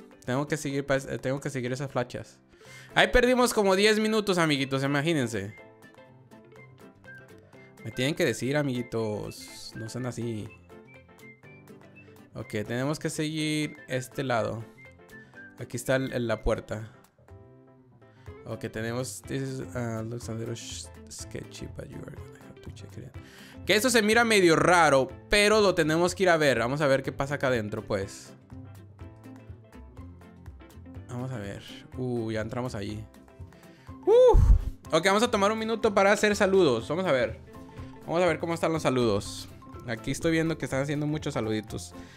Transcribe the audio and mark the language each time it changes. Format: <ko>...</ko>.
<es>Tengo que seguir esas flechas. Ahí perdimos como 10 minutos, amiguitos. Imagínense. Me tienen que decir, amiguitos. No sean así. Ok, tenemos que seguir este lado. Aquí está la puerta. Ok, tenemos...</es> <en>This is, looks a little sketchy, but you are gonna have to check it out.</en> <es>Que esto se mira medio raro, pero lo tenemos que ir a ver. Vamos a ver qué pasa acá adentro, pues. Vamos a ver. Ya entramos allí. Ok, vamos a tomar un minuto para hacer saludos. Vamos a ver. Vamos a ver cómo están los saludos. Aquí estoy viendo que están haciendo muchos saluditos.</es>